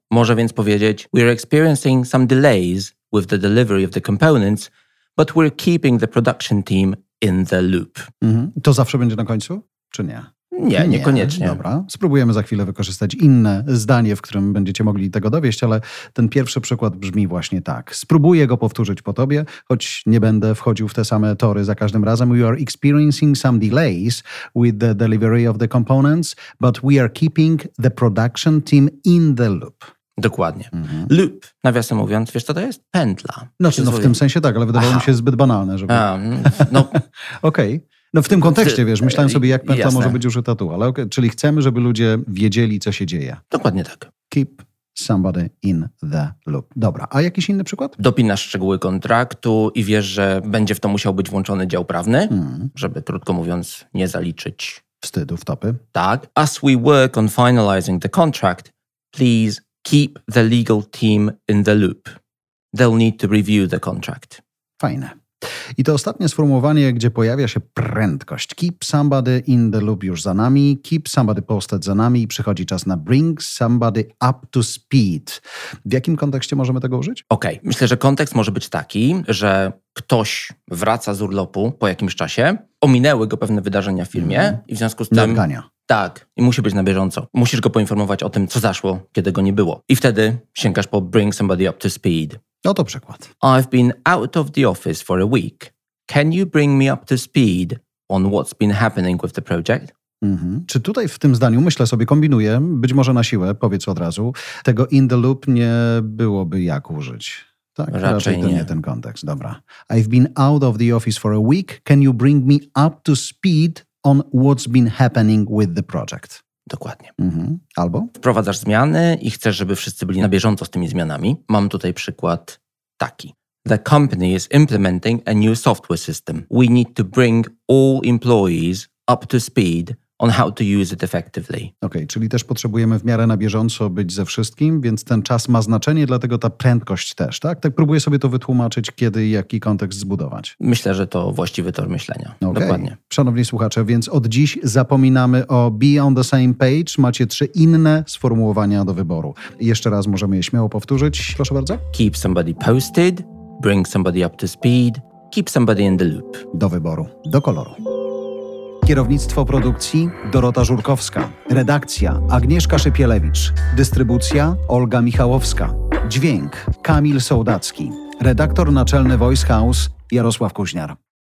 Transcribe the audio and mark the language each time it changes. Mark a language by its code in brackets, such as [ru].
[pl] Może więc powiedzieć, [en] we're experiencing some delays with the delivery of the components, but we're keeping the production team in the loop. Mhm. [pl] To zawsze będzie na końcu, czy nie? Nie, niekoniecznie. Dobra, spróbujemy za chwilę wykorzystać inne zdanie, w którym będziecie mogli tego dowieść, ale ten pierwszy przykład brzmi właśnie tak. Spróbuję go powtórzyć po tobie, choć nie będę wchodził w te same tory za każdym razem. [en] We are experiencing some delays with the delivery of the components, but we are keeping the production team in the loop. [pl] Dokładnie. Mhm. Loop, nawiasem mówiąc, wiesz co to jest? Pętla. Znaczy, no w tym sensie tak, ale wydawało mi się zbyt banalne, żeby... No. Okej. Okay. No w tym kontekście, wiesz, myślałem sobie, jak pętla może być użyta tu, ale okay, czyli chcemy, żeby ludzie wiedzieli, co się dzieje. Dokładnie tak. [en] Keep somebody in the loop. [pl] Dobra, a jakiś inny przykład? Dopinasz szczegóły kontraktu i wiesz, że będzie w to musiał być włączony dział prawny, żeby, krótko mówiąc, nie zaliczyć wstydu w topy. Tak. [en] As we work on finalizing the contract, please keep the legal team in the loop. They'll need to review the contract. [pl] Fajne. I to ostatnie sformułowanie, gdzie pojawia się prędkość. [en] Keep somebody in the loop [pl] już za nami, [en] keep somebody posted [pl] za nami i przychodzi czas na [en] bring somebody up to speed. [pl] W jakim kontekście możemy tego użyć? Okej, okay. Myślę, że kontekst może być taki, że ktoś wraca z urlopu po jakimś czasie, ominęły go pewne wydarzenia w firmie i w związku z tym... Nadgania. Tak, i musi być na bieżąco. Musisz go poinformować o tym, co zaszło, kiedy go nie było. I wtedy sięgasz po [en] bring somebody up to speed. [pl] No to przykład. [en] I've been out of the office for a week. Can you bring me up to speed on what's been happening with the project? Mm-hmm. [pl] Czy tutaj w tym zdaniu, myślę sobie, kombinuję, być może na siłę, powiedz od razu, tego [en] in the loop [pl] nie byłoby jak użyć. Tak, raczej to nie ten kontekst, dobra. [en] I've been out of the office for a week. Can you bring me up to speed on what's been happening with the project? [pl] Dokładnie. Mhm. Albo? Wprowadzasz zmiany i chcesz, żeby wszyscy byli na bieżąco z tymi zmianami. Mam tutaj przykład taki. [en] The company is implementing a new software system. We need to bring all employees up to speed on how to use it effectively. [pl] Okay, czyli też potrzebujemy w miarę na bieżąco być ze wszystkim, więc ten czas ma znaczenie, dlatego ta prędkość też, tak? Tak próbuję sobie to wytłumaczyć, kiedy i jaki kontekst zbudować. Myślę, że to właściwy tor myślenia. Okay. Dokładnie. Szanowni słuchacze, więc od dziś zapominamy o [en] be on the same page. [pl] Macie trzy inne sformułowania do wyboru. Jeszcze raz możemy je śmiało powtórzyć. Proszę bardzo. [en] Keep somebody posted, bring somebody up to speed, keep somebody in the loop. [pl] Do wyboru, do koloru. Kierownictwo produkcji Dorota Żurkowska. Redakcja Agnieszka Szypielewicz. Dystrybucja Olga Michałowska. Dźwięk Kamil Sołdacki. Redaktor naczelny Voice House Jarosław Kuźniar.